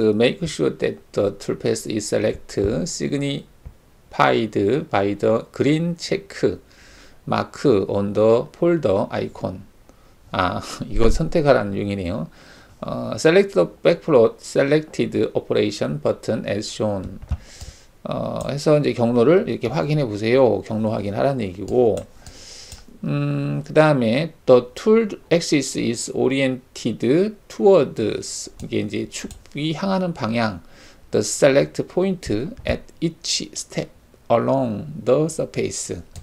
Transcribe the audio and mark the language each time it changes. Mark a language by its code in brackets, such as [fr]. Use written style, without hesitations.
[en] Make sure that the tool path is selected, signified by the green check mark on the folder icon. [ko] 아, 이거 선택하라는 용이네요. [en] Select the backplot selected operation button as shown. [ko] 해서 이제 경로를 이렇게 확인해 보세요. 경로 확인하라는 얘기고. 그 다음에 [en] the tool axis is oriented towards [ko] 이게 이제 축이 향하는 방향 [en] the select point at each step along the surface